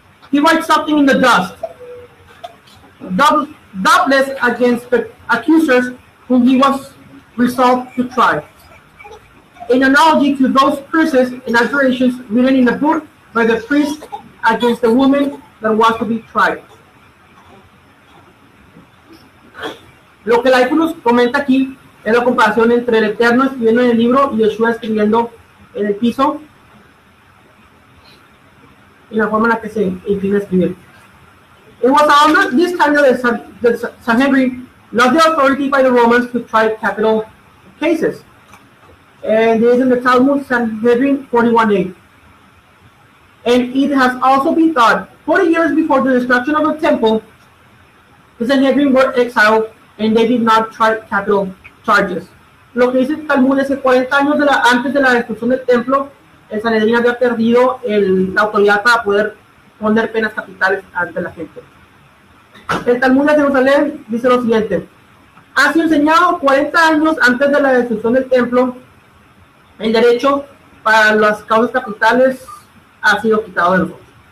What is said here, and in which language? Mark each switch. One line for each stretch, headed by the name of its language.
English: He writes something in the dust, doubtless against the accusers whom he was resolved to try. In analogy to those curses and adjurations written in the book by the priest against the woman that was to be tried.
Spanish: Lo que Laico nos comenta aquí es la comparación entre el Eterno escribiendo en el libro y Yeshua escribiendo en el piso y la forma en la que se inclina a escribir.
English: It was under this time that the Sanhedrin lost the authority by the Romans to try capital cases. And it is in the Talmud, Sanhedrin 41:8. And it has also been thought, 40 years before the destruction of the temple, the Sanhedrin were exiled and they did not try capital charges.
Spanish: Lo que dice el Talmud es que 40 años antes de la destrucción del templo, el Sanhedrin había perdido la autoridad para poder poner penas capitales ante la gente. El Talmud de Jerusalén dice lo siguiente: ha sido enseñado 40 años antes de la destrucción del templo, el derecho para las causas capitales ha sido quitado de nosotros.